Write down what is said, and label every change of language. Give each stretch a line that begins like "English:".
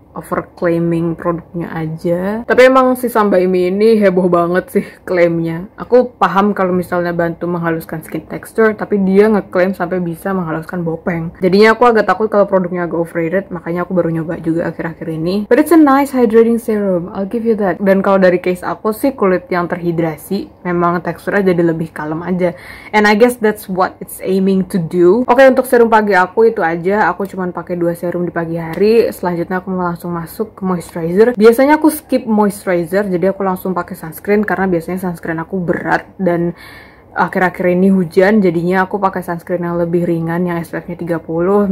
Indonesian: overclaiming produknya aja. Tapi emang si Sambai Mi ini heboh banget sih klaimnya. Aku paham kalau misalnya bantu menghaluskan skin texture, tapi dia ngeklaim sampai bisa menghaluskan bopeng. Jadinya aku agak takut kalau produknya agak overrated, makanya aku baru nyoba juga akhir-akhir ini.
English: But it's a nice hydrating serum, I'll give you that.
Indonesian: Dan kalau dari case aku sih, kulit yang terhidrasi memang teksturnya jadi lebih kalem aja.
English: And I guess that's what it's aiming to do.
Indonesian: Okay, untuk serum pagi aku itu aja. Aku cuma pakai 2 serum di pagi hari. Selanjutnya aku mau langsung masuk ke moisturizer. Biasanya aku skip moisturizer, jadi aku langsung pakai sunscreen karena biasanya sunscreen aku berat dan akhir-akhir ini hujan, jadinya aku pakai sunscreen yang lebih ringan yang SPF-nya 30.